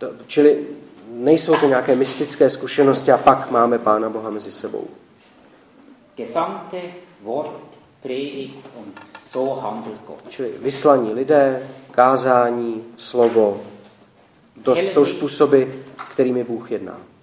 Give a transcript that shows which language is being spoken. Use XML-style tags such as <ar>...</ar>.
<cs>Čili nejsou to nějaké mystické zkušenosti a pak máme Pána Boha mezi sebou.</cs> <de>Gesamte Wort predigt und so handelt Gott.</de> <cs>Čili vyslaní lidé, kázání, slovo, to jsou způsoby, kterými Bůh jedná.</cs>